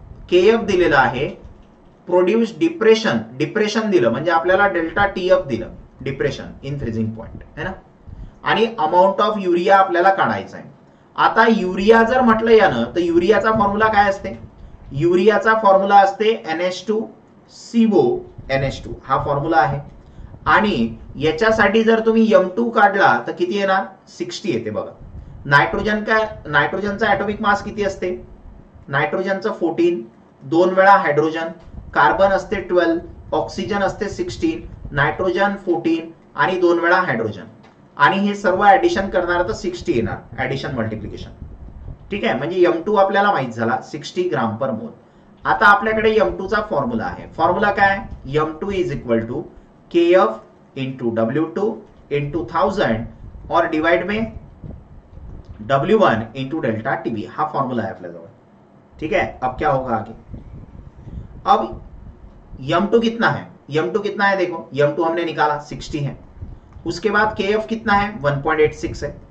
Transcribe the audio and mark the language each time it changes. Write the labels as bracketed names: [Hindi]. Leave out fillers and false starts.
[Marathi] के F दिलेला आहे, produce depression, depression दिलं म्हणजे आपल्याला डेल्टा टी एफ दिलं, डिप्रेशन इन फ्रीजिंग पॉइंट, है ना, आणि अमाउंट ऑफ युरिया आपल्याला काढायचा आहे। आता युरिया जर म्हटलं यानं तर युरियाचा फॉर्म्युला काय असते? युरियाचा फॉर्म्युला असते NH2CO NH2, हा फॉर्म्युला आहे। आणि याच्यासाठी जर तुम्ही यम टू काढला तर किती येणार? 60 येते बघा। नायट्रोजन काय, नायट्रोजनचा ऍटॉमिक मास किती असते? नायट्रोजनचा 14, 2 वेळा हायड्रोजन, कार्बन असते 12, ऑक्सिजन असते 16, नायट्रोजन 14 आणि 2 वेळा हायड्रोजन, आणि हे सर्व ऍडिशन करणार तर 60 येणार, ऍडिशन मल्टिप्लिकेशन, ठीक आहे। म्हणजे यम टू आपल्याला माहित झाला 60 ग्राम पर मोल। आता आपल्याकडे यम टू चा फॉर्म्युला आहे, फॉर्म्युला काय? [English] m two is equal to K F into W two into 1000 और divide में W one into delta TV, [Marathi] हा फॉर्मूला है आपल्याजवळ, [Hindi] ठीक है। अब क्या होगा आगे? अब यम टू कितना है, यम टू कितना है देखो, यम टू हमने निकाला 60 है, उसके बाद के एफ कितना है? 1.86 है,